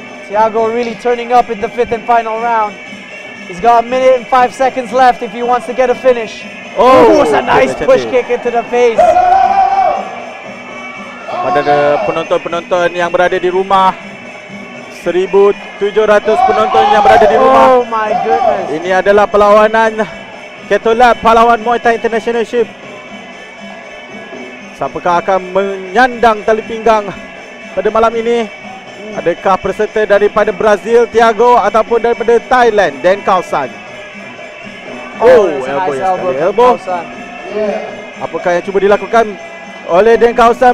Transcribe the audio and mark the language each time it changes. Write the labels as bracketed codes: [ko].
[en] Thiago really turning up in the fifth and final round. He's got a minute and 5 seconds left if he wants to get a finish. Oh, it was a nice push kick into the face. [ms] Pada penonton-penonton yang berada di rumah, 1,700 penonton yang berada di rumah. [en] Oh my goodness. [ms] Ini adalah perlawanan KetoLab Pahlawan Muay Thai International Ship. Siapakah akan menyandang tali pinggang pada malam ini? Adakah peserta daripada Brazil, Thiago, ataupun daripada Thailand, Den Kaosan? [en] Oh, elbow, nice elbow, elbow. [ms] Apakah yang cuba dilakukan oleh Deng Kaosan?